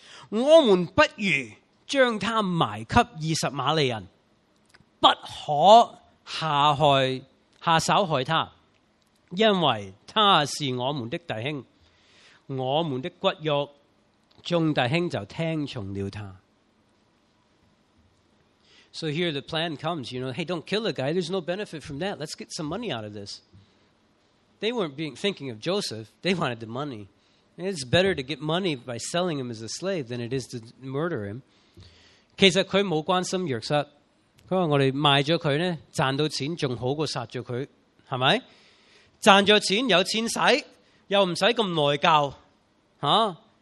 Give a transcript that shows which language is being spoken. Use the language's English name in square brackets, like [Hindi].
[Chinese] 我们不如将他埋给20玛利人，不可下手害他，因为他是我们的弟兄，我们的骨肉。众弟兄就听从了他。 [English] So here the plan comes, you know, hey, don't kill the guy, there's no benefit from that, let's get some money out of this. They weren't thinking of Joseph, they wanted the money. It's better to get money by selling him as a slave than it is to murder him. [Chinese] 其实他没关心约瑟，他说我们卖了他呢，赚到钱还好过杀了他，是不是？赚了钱，有钱使，又不用那么内疚，啊？